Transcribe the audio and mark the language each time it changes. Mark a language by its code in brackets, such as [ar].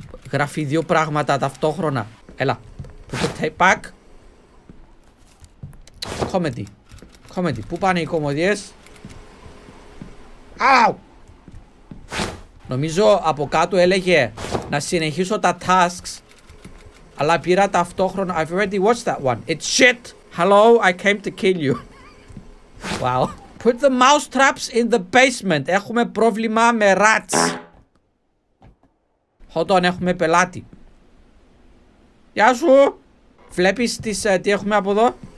[el] Γράφει δύο πράγματα ταυτόχρονα. Έλα. [en] Put the tape back. [el] Comedy. Comedy. Πού πάνε οι κωμωδιές? Αου! Νομίζω από κάτω έλεγε να συνεχίσω τα tasks, αλλά πήρα ταυτόχρονα. [en] I've already watched that one. It's shit. Hello, I came to kill you. Wow. Put the mouse traps in the basement. [el] Έχουμε πρόβλημα με rats. Όταν έχουμε πελάτη. Γεια σου! Βλέπεις τις, τι έχουμε από εδώ?